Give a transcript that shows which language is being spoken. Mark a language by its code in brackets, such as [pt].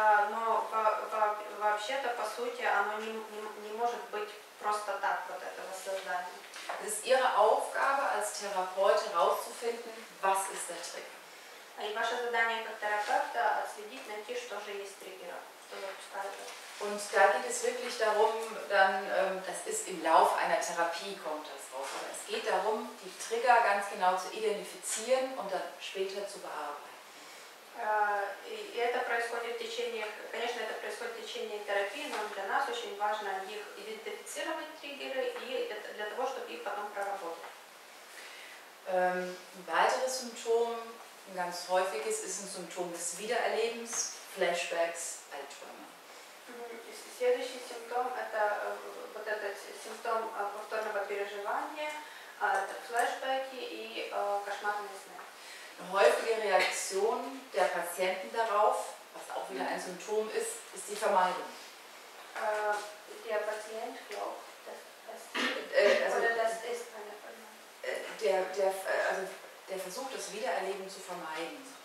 [ru] Но вообще-то, по сути, оно не может быть просто так, вот это воссоздание. [de] Es ist Ihre Aufgabe als Therapeut herauszufinden, was ist der Trigger. [ru] И ваше задание как терапевта отследить, найти, что же есть триггер, что запускает. [de] Und da geht es wirklich darum, dann, das ist im Lauf einer Therapie kommt das raus. Aber es geht darum, die Trigger ganz genau zu identifizieren und dann später zu bearbeiten. [ru] И это происходит в течение, конечно, это происходит в течение терапии, но для нас очень важно их идентифицировать триггеры и для того, чтобы их потом проработать. [de] Ein weiteres Symptom, ein ganz häufiges, ist ein Symptom des Wiedererlebens, Flashbacks, Albträume. [ru] Следующий симптом – это вот этот симптом повторного переживания, это флешбеки и кошмарные сны. [de] Eine häufige Reaktion der Patienten darauf, was auch wieder ein Symptom ist, ist die Vermeidung. Der Patient glaubt, dass das, das ist eine Vermeidung. Der Versuch, das Wiedererleben zu vermeiden.